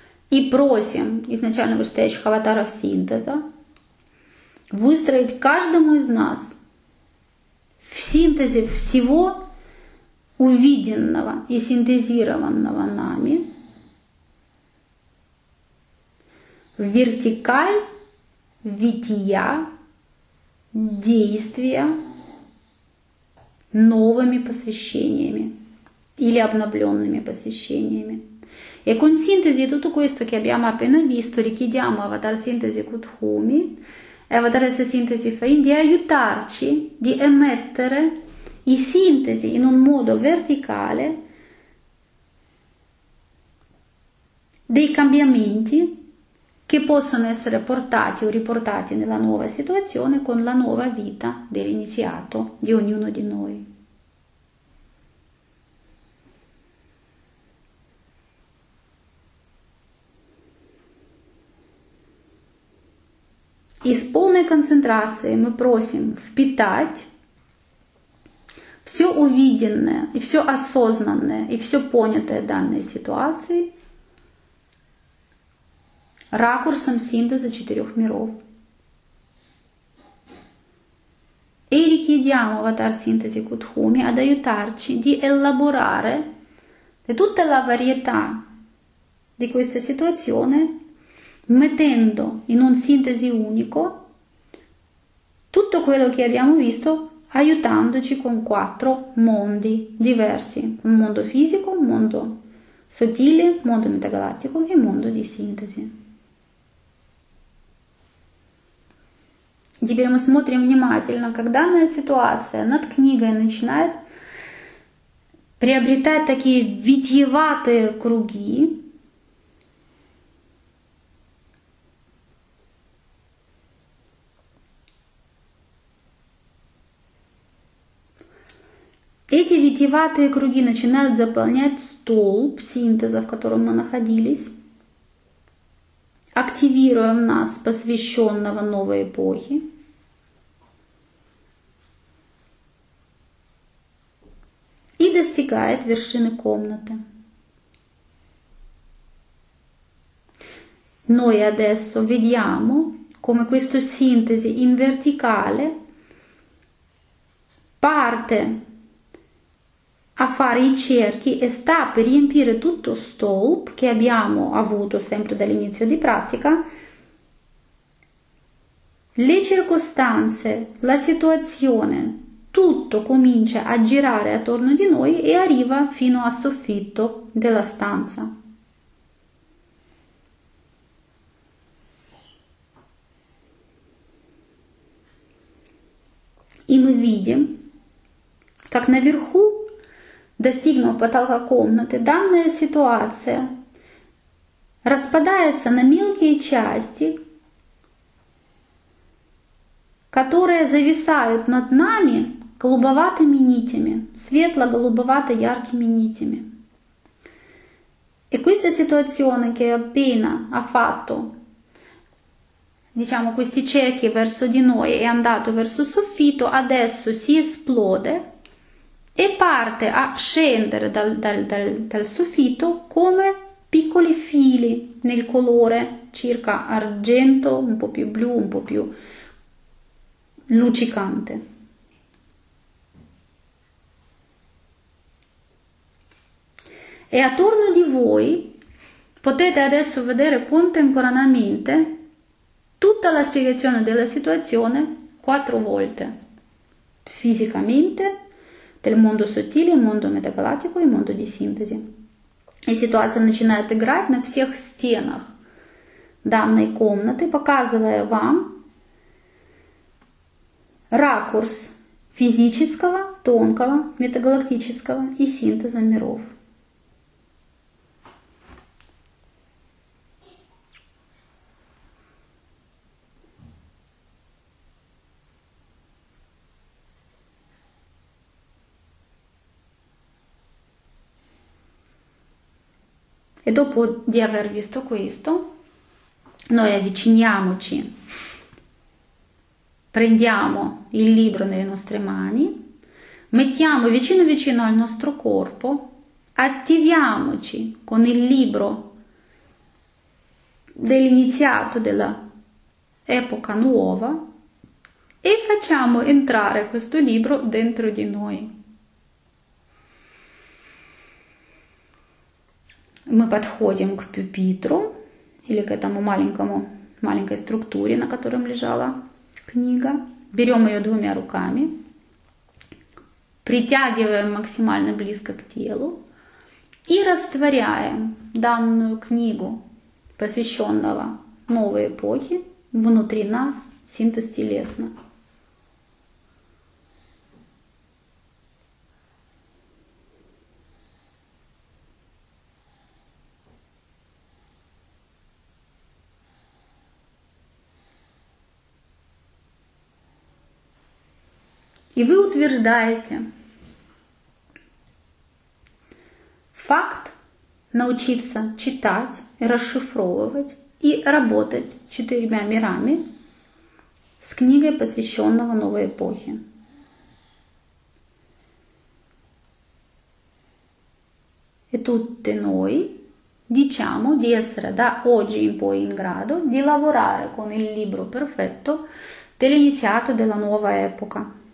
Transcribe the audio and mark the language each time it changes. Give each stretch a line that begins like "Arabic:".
Russian: И просим изначально встречка аватара синтеза выстроить каждому из нас в синтезе всего увиденного и синтезированного нами вертикаль вития действия новыми посвящениями или обновленными посвящениями. И
Italian: con sintesi tutto questo che abbiamo appena visto, richiediamo avatar sintesi kutumi e avatar sintesi fain di aiutarci di emettere i sintesi in un modo verticale dei cambiamenti che possono essere portati o riportati nella nuova situazione con la nuova vita dell'iniziato di ognuno di noi.
Russian: И с полной концентрацией мы просим впитать все увиденное, и все осознанное, и все понятое данной ситуации ракурсом синтеза четырех миров.
Italian: E richiediamo avatar sintesi kutumi ad aiutarci di elaborare tutta la varietà di questa situazione mettendo in un sintesi unico tutto quello che abbiamo visto aiutandoci con quattro mondi diversi, un mondo fisico, un mondo sottile, un mondo metagalattico e un mondo di sintesi.
Russian: Теперь мы смотрим внимательно, как данная ситуация над книгой начинает приобретать такие витиеватые круги, эти витиеватые круги начинают заполнять столб синтеза, в котором мы находились, активируя в нас посвященного новой эпохе. И достигает вершины комнаты.
Italian: Noi adesso vediamo come questo sintesi in verticale parte a fare i cerchi e sta per riempire tutto stolp che abbiamo avuto sempre dall'inizio di pratica, le circostanze, la situazione, tutto comincia a girare attorno di noi e arriva fino al soffitto della stanza.
Russian: И мы видим, как наверху достигнув потолка комнаты, данная ситуация распадается на мелкие части, которые зависают над нами голубоватыми нитями, светло-голубовато-яркими нитями. И
Italian: questa situazione che appena ha fatto, diciamo, questi cerchi verso di noi e andato verso soffitto, adesso si esplode e parte a scendere dal soffitto come piccoli fili nel colore circa argento, un po' più blu, un po' più luccicante. E attorno di voi potete adesso vedere contemporaneamente tutta la spiegazione della situazione quattro volte, fisicamente, del mondo sottile, mondo metagalattico e mondo di sintesi. E la situazione comincia a
Russian: играть на всех стенах данной комнаты, показывая вам ракурс физического, тонкого, метагалактического и синтеза миров.
Italian: E dopo di aver visto questo, noi avviciniamoci, prendiamo il libro nelle nostre mani, mettiamo vicino vicino al nostro corpo, attiviamoci con il libro dell'iniziato dell'epoca nuova e facciamo entrare questo libro dentro di noi.
Russian: Мы подходим к пюпитру или к этому маленькому, маленькой структуре, на котором лежала книга. Берем ее двумя руками, притягиваем максимально близко к телу и растворяем данную книгу, посвященного новой эпохе, внутри нас, синтез телесно. И вы утверждаете факт научиться читать, расшифровывать и работать четырьмя мирами с книгой, посвященного новой эпохе.
Italian: E tutti noi diciamo di essere da oggi in poi in grado di lavorare con il libro perfetto dell'iniziato della nuova epoca.